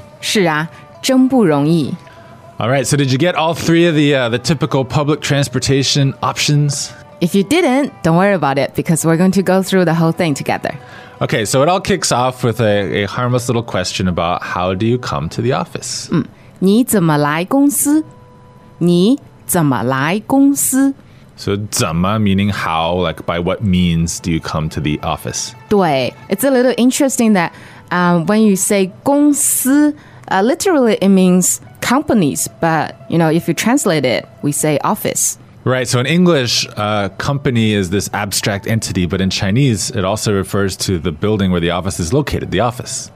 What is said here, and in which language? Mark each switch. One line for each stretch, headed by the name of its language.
Chinese: 是啊,真不容易。Alright,
English: so did you get all three of the typical public transportation options? If you didn't, don't worry about it, because we're going to go through the whole thing together. Okay, so it all kicks off with a harmless little question about how do you come to the office?
Chinese: 你怎么来公司? 你怎么来公司?
English: So 怎么 meaning how, like by what means do you come to the office? 对, it's a little interesting that when you say 公司, literally it means companies, but you know, if you translate it, we say office. Right, so in English, company is this abstract entity, but in Chinese, it also refers to the building where the office is located, the office.